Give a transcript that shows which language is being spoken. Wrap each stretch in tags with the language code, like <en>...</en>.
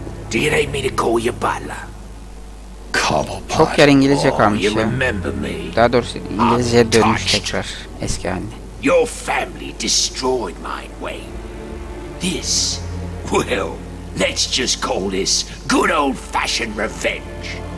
<en>Do you need me to call your butler?</en> <tr>Çok yer İngilizce kalmış ya. Daha doğrusu İngilizceye dönmüş tekrar eski haline.</tr> <en>Your family destroyed mine, Wayne. This, well, let's just call this good old fashioned revenge.</en>